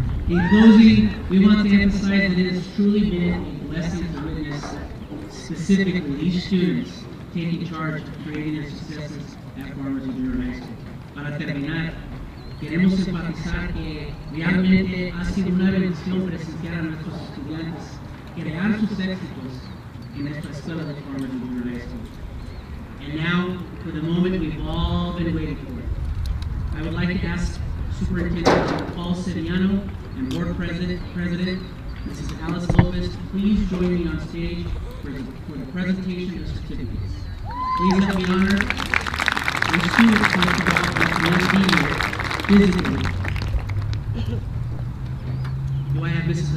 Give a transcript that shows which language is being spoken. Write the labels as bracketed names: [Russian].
[English] In closing, we want to emphasize that it has truly been a blessing to witness specifically these students taking charge of creating their successes at Farmersville Junior High School. [Spanish] Para terminar, queremos enfatizar que realmente ha sido una bendición presenciar a nuestros estudiantes crear sus éxitos en nuestra escuela de Farmersville Junior High School. [English] And now, for the moment we've all been waiting for, I would like to ask Superintendent Paul Seriano and Board President Mrs. Alice Lopez to please join me on stage for the presentation of certificates. Please help me honor the students of the college physically. Do I have Mrs.